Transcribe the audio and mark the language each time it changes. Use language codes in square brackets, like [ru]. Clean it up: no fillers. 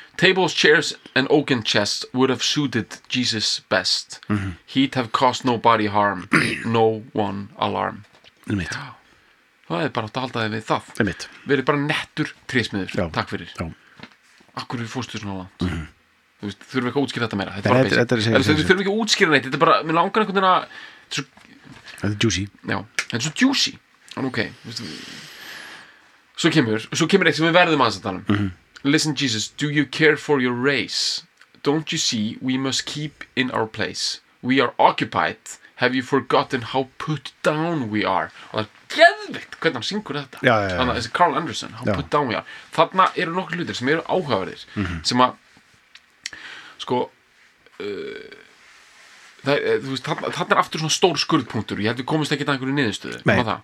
[en] Tables, chairs and oaken chests would have suited Jesus best. Mm-hmm. He'd have caused nobody harm, no one alarm. [is] Einmitt. Já, það bara að halda þeim við það. Einmitt. Við erum bara nettur trésmiður, já. Takk fyrir. Já. Akkur við fórstu svona langt. Mm-hmm. Þú veist, þurfum ekki að útskýra þetta meira. Þetta bara þetta segir þetta. Við þurfum ekki að útskýra neitt, þetta bara, mér langar einhvern veginn að... Þetta juicy. Já, þetta svo juicy. En ok, veistu, svo kemur eitt sem við verðum að tala Listen, Jesus, do you care for your race? [en] Don't you see we must keep in our place? We are occupied. Have you forgotten how put down we are? [is] Og það geðvikt hvernig hann syngur þetta. Já, já, já. Þannig að Carl Anderson, how já. Put down we are. Þarna eru nokkur hlutir sem eru áhugaverðir. Mm-hmm. Sem að, sko, þarna er aftur svona stór skurðpunktur. Ég held við komist ekki að einhverju niðurstöðu. Nei.